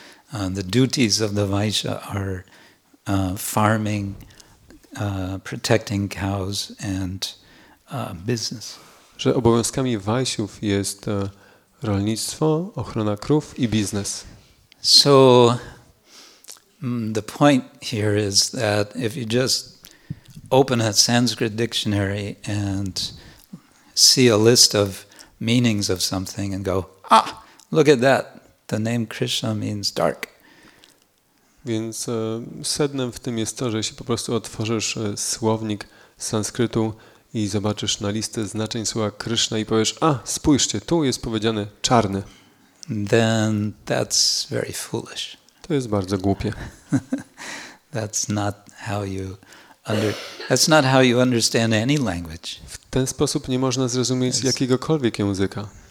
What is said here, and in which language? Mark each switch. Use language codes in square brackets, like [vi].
[en] The duties of the vaisha are farming, protecting cows and business. [pl] Że obowiązkami vaisiów jest rolnictwo, ochrona krów i biznes. [en] So the point here is that if you just open a Sanskrit dictionary and see a list of meanings of something and go, ah, look at that, the name Krishna means dark. [pl] Więc sednem w tym jest to, że jeśli po prostu otworzysz słownik sanskrytu i zobaczysz na listę znaczeń słowa Krishna i powiesz, a, spójrzcie, tu jest powiedziane czarny. [en] Then that's very foolish. [pl] To jest bardzo głupie. [en] That's not how you that's not how you understand any language. [pl] W ten sposób nie można zrozumieć jakiegokolwiek języka.